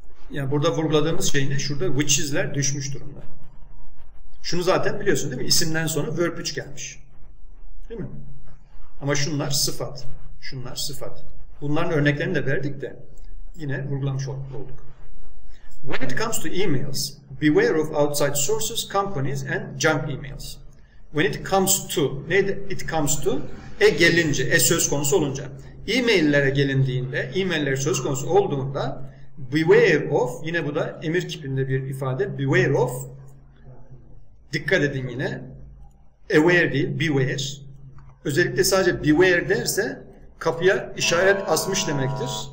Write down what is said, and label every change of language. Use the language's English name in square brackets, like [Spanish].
[Turkish] Yani burada vurguladığımız şey ne? Şurada which is'ler düşmüş durumda. Şunu zaten biliyorsun değil mi? İsimden sonra verb 3 gelmiş. Değil mi? Ama şunlar sıfat. Şunlar sıfat. Bunların örneklerini de verdik de yine vurgulamış olduk. [English] When it comes to emails, beware of outside sources, companies and junk emails. [Turkish] When it comes to, neydi it comes to? E gelince, e söz konusu olunca. E-maillere gelindiğinde, e-mailler söz konusu olduğunda beware of, yine bu da emir kipinde bir ifade, beware of, dikkat edin yine, aware değil, beware. Özellikle sadece beware derse kapıya işaret asmış demektir.